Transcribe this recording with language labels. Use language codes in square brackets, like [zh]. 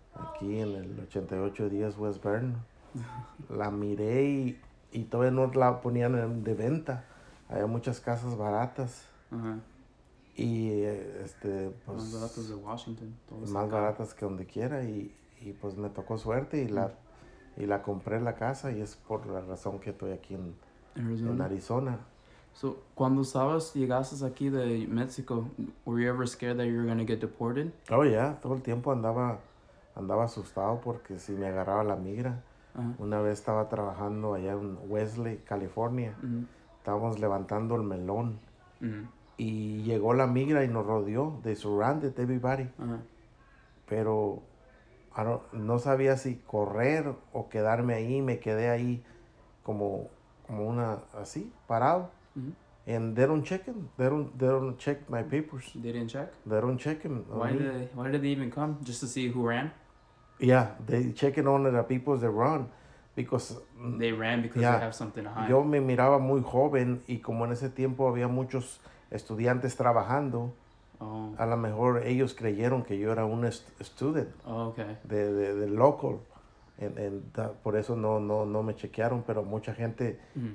[es] Aquí en el 8810 West Burn. La miré y todavía no la ponían de venta. Había muchas casas baratas. Uh-huh. Y pues... más baratas de Washington. Todo más baratas que donde quiera. Y pues me tocó suerte y la... Uh-huh. Y la compré la casa y es por la razón que estoy aquí en Arizona. [en] So, cuando sabes, llegaste aquí de México, were you ever scared that you were going to get deported? Oh, yeah. [es] Todo el tiempo andaba asustado porque si me agarraba la migra. Uh-huh. Una vez estaba trabajando allá en Wesley, California. Uh-huh. Estábamos levantando el melón. Uh-huh. Y llegó la migra y nos rodeó. [en] They surrounded everybody. Uh-huh. Pero... [es] no sabía si correr o quedarme ahí. Me quedé ahí como una, así, parado. Mm-hmm. [en] And they don't check my papers. They didn't check? They don't check them. Why did they even come? Just to see who ran? Yeah, they checking on the people that run. Because... they ran because yeah, they have something to hide. [es] Yo me miraba muy joven y como en ese tiempo había muchos estudiantes trabajando... Oh. A lo mejor ellos creyeron que yo era un student. [en] Oh, okay. [es] De local. Por eso no me chequearon, pero mucha gente mm-hmm.